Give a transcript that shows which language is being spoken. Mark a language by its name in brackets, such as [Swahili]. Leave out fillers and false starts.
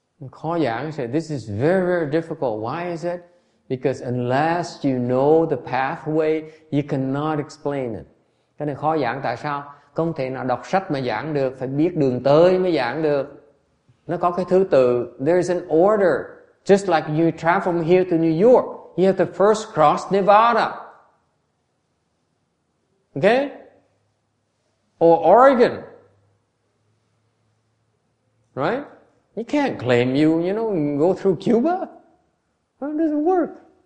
[Vietnamese] Khó giảng, [English] say, this is very, very difficult. Why is it? Because unless you know the pathway, you cannot explain it. [Vietnamese] Cái này khó giảng tại sao? Không thể nào đọc sách mà giảng được, phải biết đường tới mới giảng được. Nó có cái thứ tự. [English] There is an order. Just like you travel from here to New York, you have to first cross Nevada. Okay? Or Oregon. Right? You can't claim you go through Cuba. That doesn't work.